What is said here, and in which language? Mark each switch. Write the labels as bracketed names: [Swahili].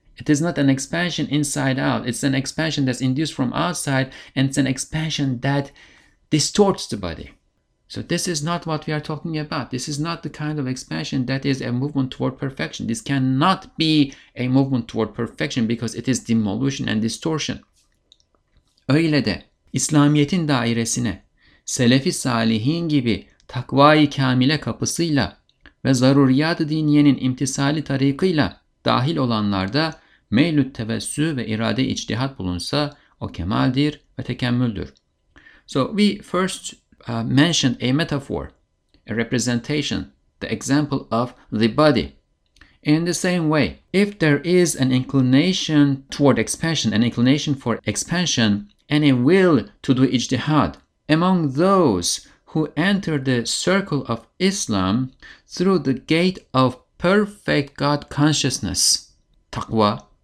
[English] It is not an expansion inside out. It's an expansion that's induced from outside, and it's an expansion that distorts the body. So this is not what we are talking about. This is not the kind of expansion that is a movement toward perfection. This cannot be a movement toward perfection because it is demolition and distortion. [Turkish] Öyle de İslamiyet'in dairesine, Selefi Salihin gibi takvayı kamile kapısıyla ve zaruriyat-ı diniyenin imtisali tarikıyla dahil olanlarda meylü tevessü ve irade-i içtihat bulunsa o kemaldir ve tekemmüldür. [English] So we first mentioned a metaphor, a representation, the example of the body. In the same way, if there is an inclination toward expansion, an inclination for expansion, and a will to do ijtihad, among those who enter the circle of Islam through the gate of perfect God consciousness, taqwa,